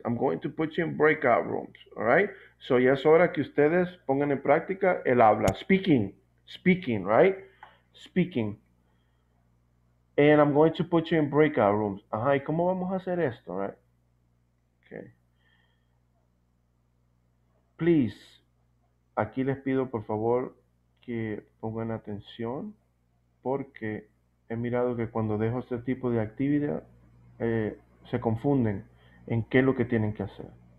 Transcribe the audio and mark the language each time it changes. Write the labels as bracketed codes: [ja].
[en] I'm going to put you in breakout rooms, all right? [es] So ya es hora que ustedes pongan en práctica el habla. [en] Speaking. And I'm going to put you in breakout rooms. [es] Ajá, ¿y cómo vamos a hacer esto, [en] all right? Okay. [es] Please, aquí les pido por favor que pongan atención porque he mirado que cuando dejo este tipo de actividad, se confunden en qué es lo que tienen que hacer.